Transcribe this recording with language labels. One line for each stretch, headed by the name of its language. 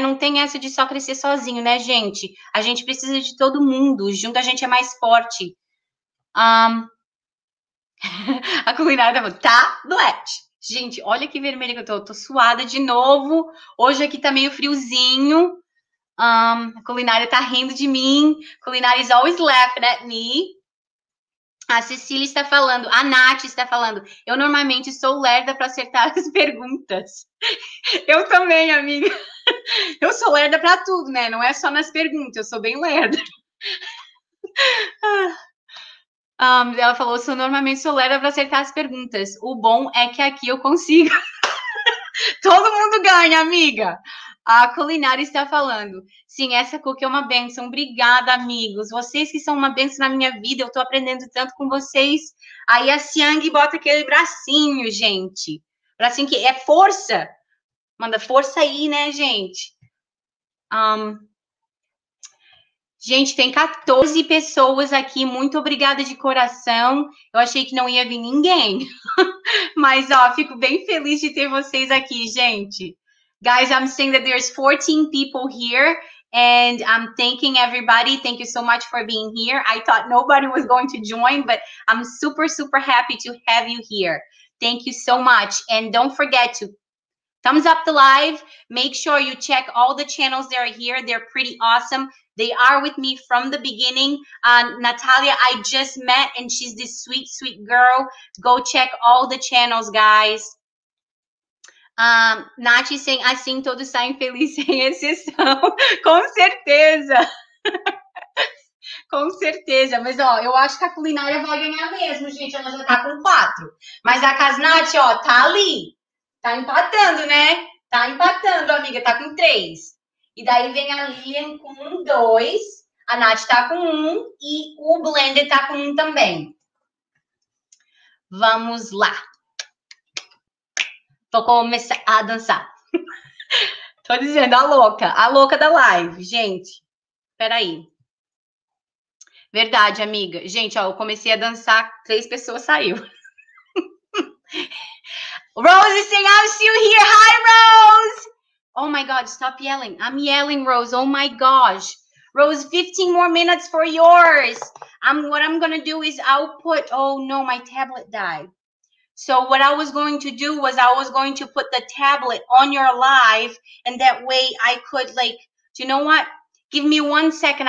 Portuguese: Não tem essa de só crescer sozinho, né, gente? A gente precisa de todo mundo. Junto a gente é mais forte. A culinária tá... Tablet! Gente, olha que vermelha que eu tô. Tô suada de novo. Hoje aqui tá meio friozinho. A culinária tá rindo de mim. Culinária is always laughing at me. A Cecília está falando, a Nath está falando, eu normalmente sou lerda para acertar as perguntas. Eu também, amiga. Eu sou lerda para tudo, né? Não é só nas perguntas, eu sou bem lerda. Ela falou, eu normalmente sou lerda para acertar as perguntas. O bom é que aqui eu consigo. Todo mundo ganha, amiga. A culinária está falando. Sim, essa cookie é uma bênção. Obrigada, amigos. Vocês que são uma bênção na minha vida. Eu estou aprendendo tanto com vocês. Aí a Siang bota aquele bracinho, gente. Bracinho que é força. Manda força aí, né, gente? Gente, tem 14 pessoas aqui. Muito obrigada de coração. Eu achei que não ia vir ninguém. Mas, ó, fico bem feliz de ter vocês aqui, gente.
English: Guys, I'm saying that there's 14 people here and I'm thanking everybody. Thank you so much for being here. I thought nobody was going to join, but I'm super, super happy to have you here. Thank you so much. And don't forget to thumbs up the live. Make sure you check all the channels that are here. They're pretty awesome. They are with me from the beginning. Natalia, I just met and she's this sweet, sweet girl. Go check all the channels, guys.
Portuguese: Nath, sem assim todos saem felizes sem exceção, com certeza, com certeza, mas ó, eu acho que a culinária vai ganhar mesmo, gente, ela já tá com 4, mas a Casnath, ó, tá ali, tá empatando, né, tá empatando, amiga, tá com 3, e daí vem a Lilian com 2, a Nath tá com 1 e o Blender tá com 1 também. Vamos lá. Vou começar a dançar. Tô dizendo, a louca da live. Gente, peraí. Verdade, amiga. Gente, ó, eu comecei a dançar, 3 pessoas saiu.
English: Rose is saying, I'm still here. Hi, Rose! Oh my God, stop yelling. I'm yelling, Rose. Oh my gosh. Rose, 15 more minutes for yours. What I'm gonna do is output. Oh no, my tablet died. So what I was going to do was I was going to put the tablet on your live and that way I could like, do you know what? Give me 1 second.